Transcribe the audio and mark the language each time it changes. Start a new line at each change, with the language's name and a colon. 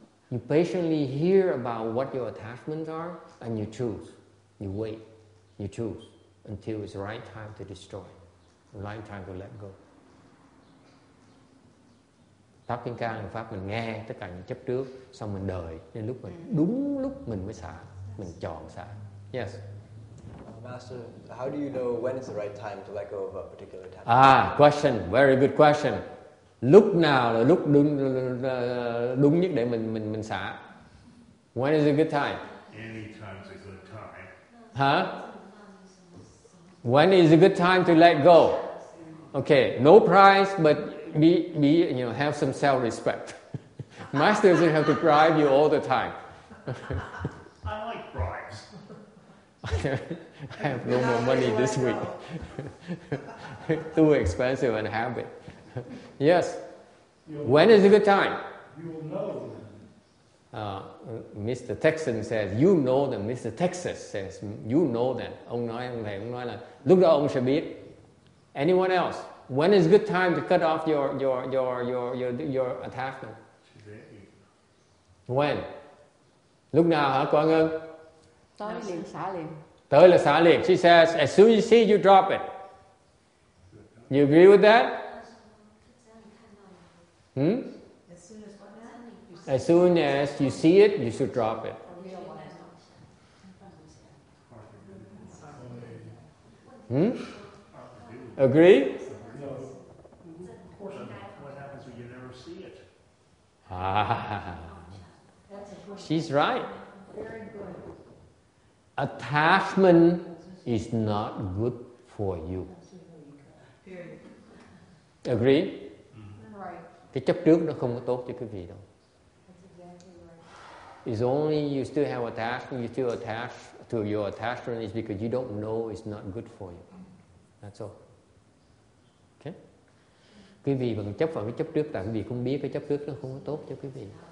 English: You patiently hear about what your attachments are, and you choose. You wait. You choose until it's the right time to destroy, the right time to let go.
Vietnamese: Pháp kim cang là pháp mình nghe tất cả những chấp trước, xong mình đợi đến lúc mình đúng lúc mình mới xả, mình chọn xả.
English: Yeah. Yes. Master, how do you know when is the right time to let go of a particular attachment? Ah, question. Very good question.
Vietnamese: Lúc nào là lúc đúng đúng nhất để mình xả.
English: When is a good time? Any time is a good time. Huh? When is a good time to let go? Okay, no price, but be you know, have some self-respect. Master doesn't have to bribe you all the time. I like bribes. I have no more money this week. Too expensive and have it. Yes. When is a good time? You will know. Mr. Texan says, you know that. Mr. Texas says, you know that.
Vietnamese: Ông nói là, lúc đó ông sẽ biết.
English: Anyone else? When is a good time to cut off your attachment? Today. When?
Vietnamese: Lúc nào hả, Quang Ngân? Tới liền, xả liền. Tới là xả liền.
English: She says, as soon as you see, you drop it. You agree with that? Hmm? As soon as you see it, you should drop it. Hmm? Agree? What happens when you never see it? Ah. She's right. Attachment is not good for you. Agree?
Vietnamese: Cái chấp trước nó không có tốt cho quý vị đâu.
English: It's only you still have attachment, you still attach to your attachment is because you don't know it's not good for you. That's all. Okay?
Vietnamese: Quý vị vẫn chấp vào cái chấp trước tại quý vị không biết cái chấp trước nó không có tốt cho quý vị.